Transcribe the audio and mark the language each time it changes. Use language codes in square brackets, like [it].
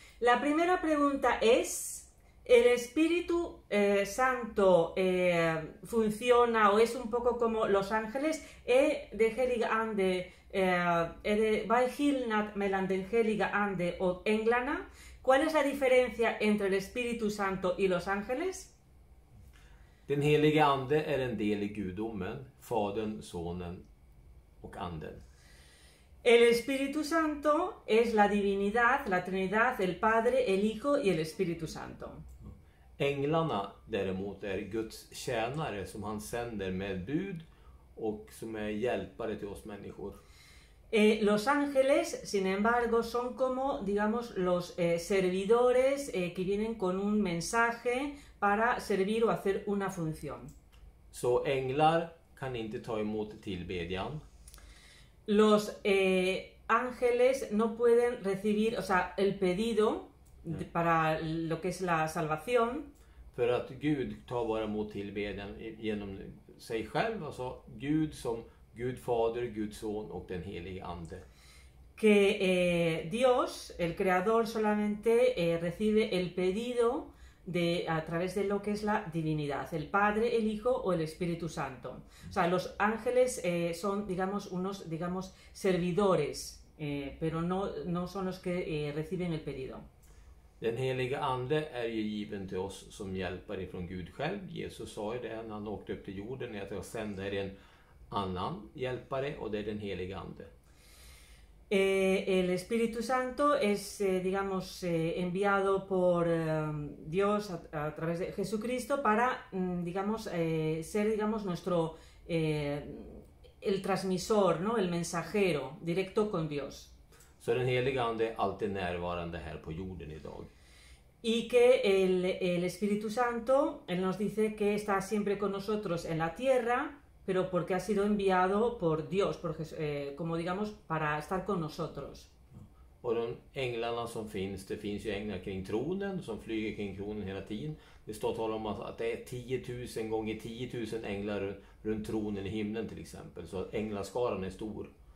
[es] La primera pregunta es: ¿el Espíritu Santo funciona o es un poco como los ángeles? [sv] De heliga ande, de vaihilnat melan de heliga ande o englana. [es] ¿Cuál es la diferencia entre el Espíritu Santo y los ángeles? [sv] Den heliga ande är en del i gudomen, fadern, sonen och anden. [es] El Espíritu Santo es la divinidad, la Trinidad, el Padre, el Hijo y el Espíritu Santo. [sv] Änglarna däremot är Guds tjänare som han sänder med bud och som är hjälpare till oss människor. [es] Los ángeles, sin embargo, son como, digamos, los servidores que vienen con un mensaje para servir o hacer una función. [sv] Så änglar kan inte ta emot tillbedjan. [es] Los ángeles no pueden recibir, o sea, el pedido para lo que es la salvación. [sv] För att Gud tar bara emot tillbedjan genom sig själv, alltså Gud som Gud Fader, Gud Son och den helige Ande. [es] Que Dios, el creador, solamente recibe el pedido de a través de lo que es la divinidad, el Padre, el Hijo o el Espíritu Santo. O sea, los ángeles son, digamos, unos, digamos, servidores, pero no son los que reciben el pedido. [sv] Den heliga ande är ju given till oss som hjälpare från Gud själv. Jesus sa ju det när han åkte upp till jorden, att jag sänder en annan hjälpare, och det är den heliga ande. [es] El Espíritu Santo es, digamos, enviado por Dios a través de Jesucristo para, digamos, ser, digamos, nuestro, el transmisor, ¿no? El mensajero directo con Dios. [sv] Så den heliga ande är alltid närvarande här på jorden idag. [es] Y que el Espíritu Santo, él nos dice que está siempre con nosotros en la tierra, pero porque ha sido enviado por Dios, por Jesús, como digamos, para estar con nosotros. [sv] Och de änglarna som finns, det finns ju änglar kring tronen, som flyger kring tronen hela tiden. Det står tal om att det är 10 000 gånger 10 000 änglar runt tronen i himlen till exempel. Så änglarskaran är stor.